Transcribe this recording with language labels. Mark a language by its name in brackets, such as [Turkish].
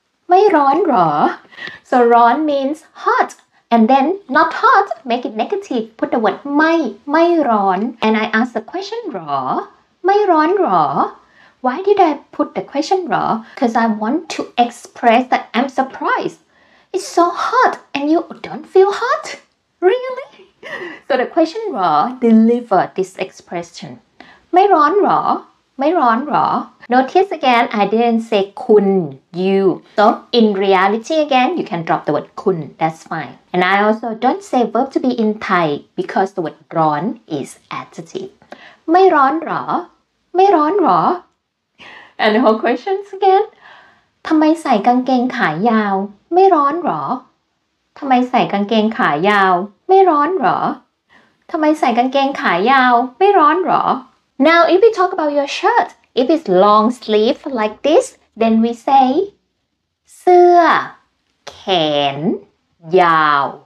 [Thai] ไม่ร้อนหรอ [English] so ร้อน means hot and then not hot make it negative put the word [Thai] ไม่ร้อน [English] and I ask the question [Thai] หรอไม่ร้อนหรอ [English] Why did I put the question หรอ Because I want to express that I'm surprised. It's so hot and you don't feel hot? Really? So the question หรอ deliver this expression. [Thai] ไม่ร้อนหรอไม่ร้อนหรอ [English] Notice again, I didn't say คุณ you. So in reality again, you can drop the word คุณ That's fine. And I also don't say verb to be in Thai because the word ร้อน is adjective. [Thai] ไม่ร้อนหรอไม่ร้อนหรอ [English] And the whole questions again [Thai] ทำไมใส่กางเกงขายาวไม่ร้อนหรอทำไมใส่กางเกงขายาวไม่ร้อนหรอทำไมใส่กางเกงขายาวไม่ร้อนหรอ [English] Now if we talk about your shirt if it's long sleeve like this then we say [Thai] เสื้อแขนยาว